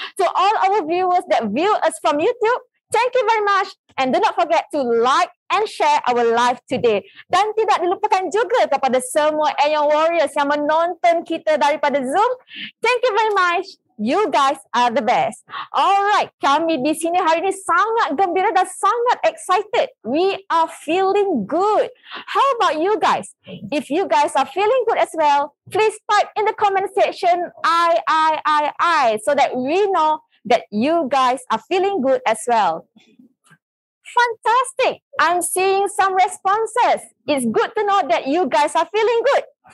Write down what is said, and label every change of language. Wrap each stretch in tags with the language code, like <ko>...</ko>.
<en>To all our viewers that view us from YouTube, thank you very much and do not forget to like and share our live today.</en> <ms>Dan tidak dilupakan juga kepada semua AEON Warriors yang menonton kita daripada Zoom.</ms> <en>Thank you very much. You guys are the best.</en> <ms>Alright, kami di sini hari ini sangat gembira dan sangat excited.</ms> <en>We are feeling good. How about you guys? If you guys are feeling good as well, please type in the comment section I, so that we know that you guys are feeling good as well. Fantastic! I'm seeing some responses. It's good to know that you guys are feeling good.</en>